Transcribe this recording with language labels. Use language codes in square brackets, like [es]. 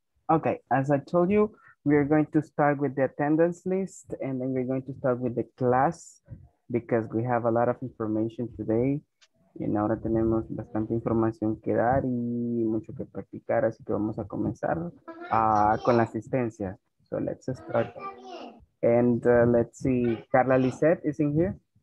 [en] Okay, as I told you, we are going to start with the attendance list and then we're going to start with the class because we have a lot of information today. [es] Y ahora tenemos bastante información que dar y mucho que practicar, así que vamos a comenzar con la asistencia. [en] So let's start. And let's see, Carla Lizette is in here.